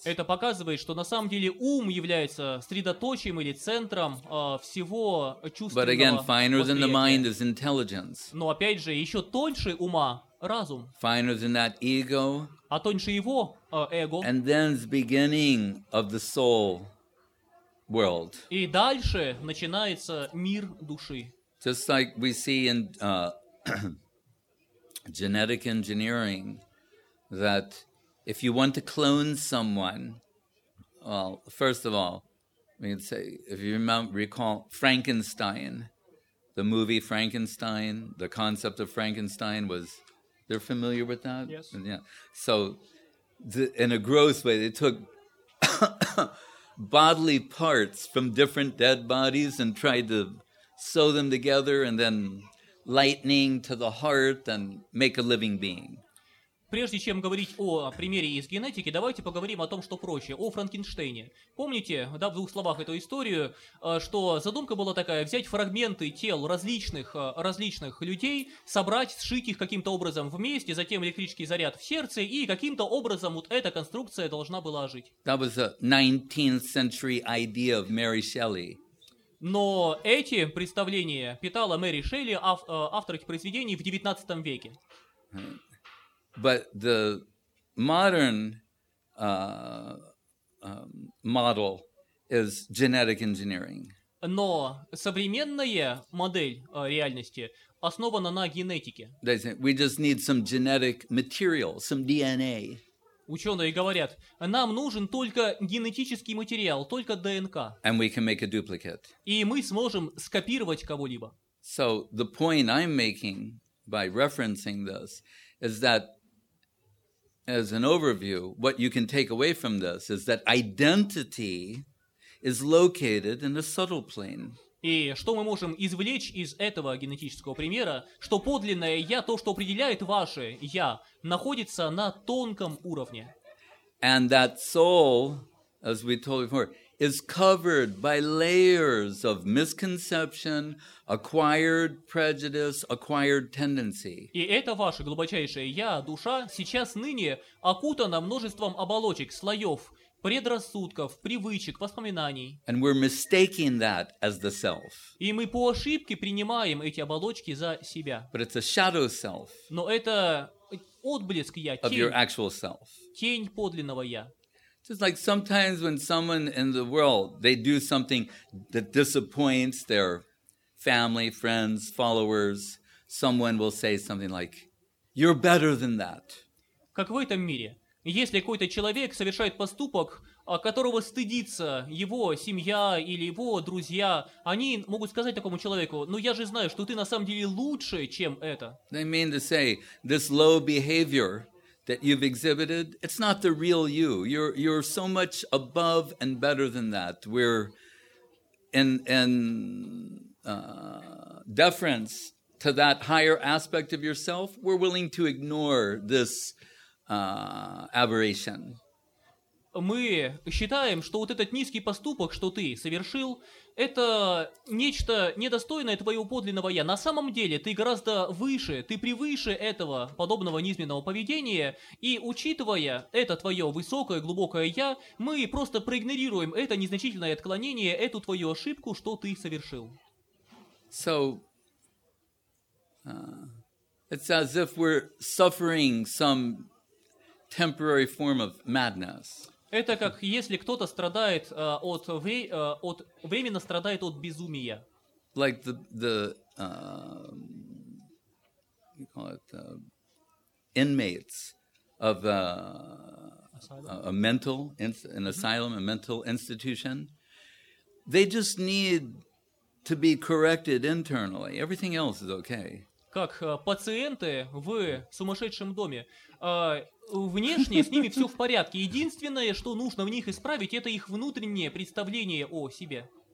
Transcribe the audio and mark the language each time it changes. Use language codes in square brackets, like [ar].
[ru] Это показывает, что на самом деле ум является средоточием или центром всего чувственного. [en] But again, finer than the mind is intelligence. [ru] Но опять же, еще тоньше ума разум. [en] Finer than that ego. [ru] А тоньше его эго. [en] And then the beginning of the soul world. [ru] И дальше начинается мир души. [en] Just like we see in genetic engineering. That if you want to clone someone, well, first of all, we can say, if you recall Frankenstein, the movie Frankenstein, the concept of Frankenstein was, they're familiar with that? Yes. Yeah. So in a gross way, they took bodily parts from different dead bodies and tried to sew them together and then lightning to the heart and make a living being. [ru] Прежде чем говорить о примере из генетики, давайте поговорим о том, что проще, о Франкенштейне. Помните, да, в двух словах эту историю, что задумка была такая, взять фрагменты тел различных людей, собрать, сшить их каким-то образом вместе, затем электрический заряд в сердце, и каким-то образом вот эта конструкция должна была жить. [en] That was a 19th century idea of Mary Shelley. [ru] Но эти представления питала Мэри Шелли, автор этих произведений, в 19 веке. [en] But the modern model is genetic engineering. [ru] Но современная модель реальности основана на генетике. [en] They say, we just need some genetic material, some DNA. [ru] Ученые говорят, нам нужен только генетический материал, только ДНК. [en] And we can make a duplicate. [ru] И мы сможем скопировать кого-либо. [en] So the point I'm making by referencing this is that as an overview, what you can take away from this is that identity is located in the subtle plane. [ru] И что мы можем извлечь из этого генетического примера, что подлинное «я», то, что определяет ваше «я», находится на тонком уровне. [en] And that soul, as we told before, is covered by layers of misconception, acquired prejudice, acquired tendency. [ru] И это ваше глубочайшее я, душа, сейчас ныне окутана множеством оболочек, слоев, предрассудков, привычек, воспоминаний. [en] And we're mistaking that as the self. [ru] И мы по ошибке принимаем эти оболочки за себя. [en] But it's a shadow self. [ru] Но это отблеск я, тень, [en] of your actual self. [ru] Тень подлинного я. [en] It's like sometimes when someone in the world, they do something that disappoints their family, friends, followers, someone will say something like, you're better than that. [ru] Как в этом мире, если какой-то человек совершает поступок, которого стыдится его семья или его друзья, они могут сказать такому человеку, ну я же знаю, что ты на самом деле лучше, чем это. [en] They mean to say, this low behavior that you've exhibited, it's not the real you. You're so much above and better than that. We're in deference to that higher aspect of yourself, we're willing to ignore this aberration. [ru] Мы считаем, что вот этот низкий поступок, что ты совершил, это нечто недостойное твоего подлинного я. На самом деле ты гораздо выше, ты превыше этого подобного низменного поведения, и учитывая это твое высокое, глубокое я, мы просто проигнорируем это незначительное отклонение, эту твою ошибку, что ты совершил. [en] So, it's as if we're suffering some temporary form of madness. [ru] Это как если кто-то страдает от временно страдает от безумия. [en] Like the inmates of a mental institution, they just need to be corrected internally. Everything else is okay. [ru] Как пациенты в сумасшедшем доме. Внешне с ними все в порядке. Единственное, что нужно в них исправить, это их внутреннее представление о себе.